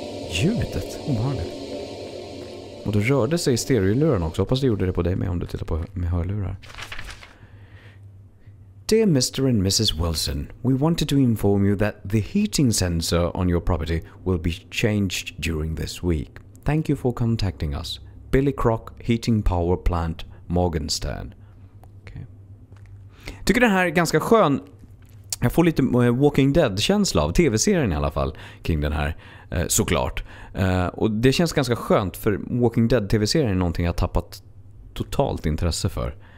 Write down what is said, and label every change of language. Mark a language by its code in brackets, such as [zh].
[sv] Ljudet, obehagligt. Och du rörde sig i stereolurar också. Hoppas du gjorde det på dig med om du tittar på med hörlurar. [en] Dear Mr. and Mrs. Wilson, we wanted to inform you that the heating sensor on your property will be changed during this week. Thank you for contacting us. Billy Croc, Heating Power Plant, Morganstern. Okay. [sv] Tycker den här är ganska skön. Jag får lite Walking Dead-känsla av tv-serien i alla fall kring den här, såklart. Och det känns ganska skönt för Walking Dead-tv-serien är någonting jag har tappat totalt intresse för.